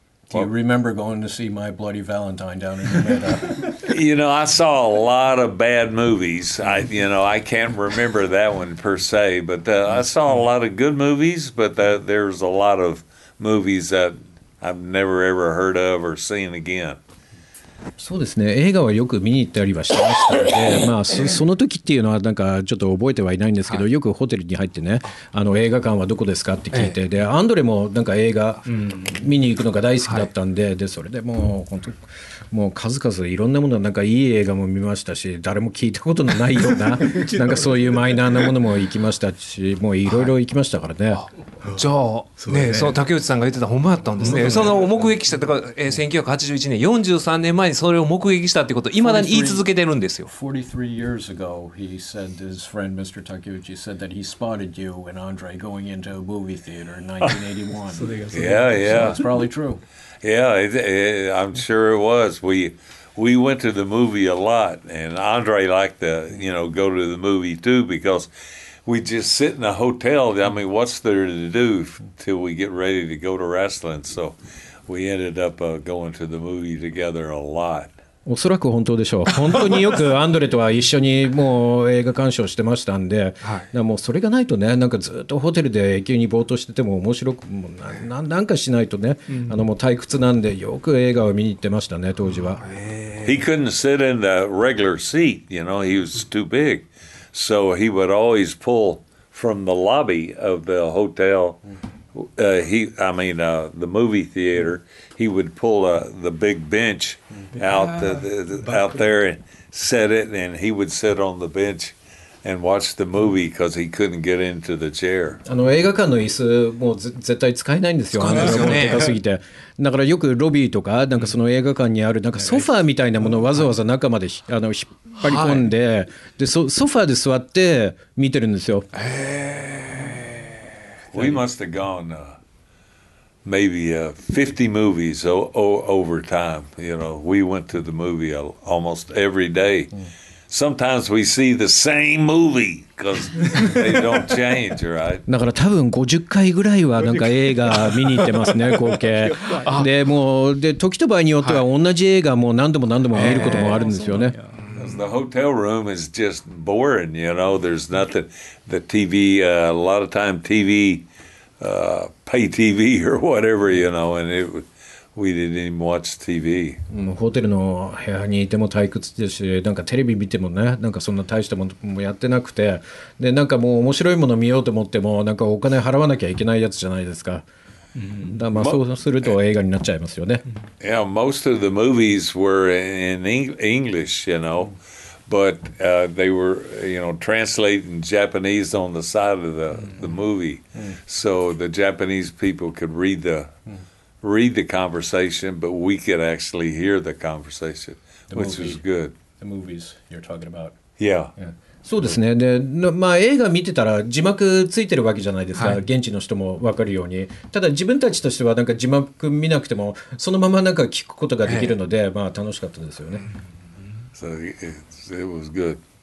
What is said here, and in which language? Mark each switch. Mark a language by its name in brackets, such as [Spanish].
[English] do you remember going to see My Bloody Valentine down in the Meadow? You know, I saw a lot of bad movies. I can't remember that one per se, but I saw a lot of good movies, but there's a lot of movies that I've never ever heard of or seen again. [Japanese] そうですね、映画はよく見に行ったりはしてましたので、まあ、その時っていうのはなんかちょっと覚えてはいないんですけど、はい、よくホテルに入ってね、あの映画館はどこですかって聞いて、でアンドレもなんか映画見に行くのが大好きだったん で、はい、でそれでもう本当もう数々いろんなものなんかいい映画も見ましたし、誰も聞いたことのないような、なんかそういうマイナーなものも行きましたし、もういろいろ行きましたからね、はい、じゃあ、そうね、ね、その竹内さんが言ってたほんまやったんです ね、 そ、 ね、その目撃しただから、1981年43年前にそれを目撃したってことを未だに言い続けてるんですよ。 [English] 43 years ago he said his friend Mr. Takeuchi said that he spotted you and Andre going into a movie theater in 1981. Yeah, yeah. So that's probably true. Yeah, I'm sure it was. We went to the movie a lot, and Andre liked to, you know, go to the movie too, because we just sit in a hotel. I mean, what's there to do till we get ready to go to wrestling? So we ended up going to the movie together a lot. [Japanese] おそらく本当でしょう。本当によくアンドレとは一緒にもう映画鑑賞してましたんで、はい、もうそれがないとね、なんかずっとホテルで永久にぼーっとしてても面白く、もう なんかしないとね、うん、あのもう退屈なんで、よく映画を見に行ってましたね、当時は。 [English] He couldn't sit in the regular seat, you know, he was too big. So he would always pull from the lobby of the hotel, the movie theater. He would pull the big bench out, out there and set it, and he would sit on the bench and watch the movie because he couldn't get into the chair. [Japanese] あの映画館の椅子もう絶対使えないんですよ。使えないですよね。でかすぎて。だからよくロビーとか、なんかその映画館にあるなんかソファーみたいなものをわざわざ中まで、はい、あの引っ張り込んで、はい、でソファーで座って見てるんですよ。 [English] We must have gone. Maybe 50 movies over time. You know, we went to the movie almost every day. Sometimes we see the same movie because they don't change, right? [Japanese] だから多分50回ぐらいはなんか映画見に行ってますね、合計。でもで時と場合によっては同じ映画も何度も何度も見ることもあるんですよね。 [English] The hotel room is just boring. You know, there's nothing. The TV, a lot of time TV. Pay TV or whatever, you know, and we didn't even watch TV. [Japanese] ホテルの部屋にいても退屈ですし、なんかテレビ見てもね、なんかそんな大したものもやってなくて、でなんかもう面白いもの見ようと思っても、なんかお金払わなきゃいけないやつじゃないですか。だからまあそうすると映画になっちゃいますよね。 [English] Yeah, most of the movies were in English, you know, but they were, you know, translating Japanese on the side of the movie, so the Japanese people could read the conversation, but we could actually hear the conversation, which was good. The movies you're talking about. Yeah. [Japanese] そうですね。で、まあ映画見てたら字幕ついてるわけじゃないですか。はい、現地の人も分かるように。ただ自分たちとしてはなんか字幕見なくてもそのままなんか聞くことができるので、まあ楽しかったですよね。 [English] It was good.